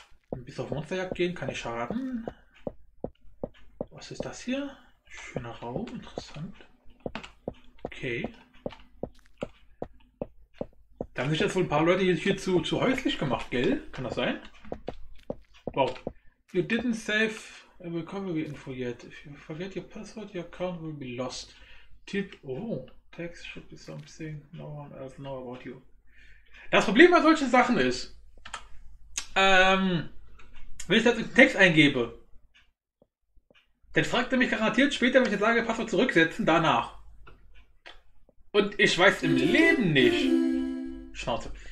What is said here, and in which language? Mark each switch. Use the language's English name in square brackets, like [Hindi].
[German] Ein bisschen auf Monsterjagd gehen, keine Schaden. Was ist das hier? Schöner Raum, interessant. Okay. Da haben sich jetzt wohl ein paar Leute hier zu häuslich gemacht, gell? Kann das sein? Wow. [English] You didn't save a recovery info yet. If you forget your password, your account will be lost. Tip. Oh. Text should be something no one else know about you. [German] Das Problem bei solchen Sachen ist, wenn ich das in den Text eingebe, dann fragt er mich garantiert später, wenn ich jetzt sage, Passwort zurücksetzen, danach. Und ich weiß im Leben nicht. Schnauze.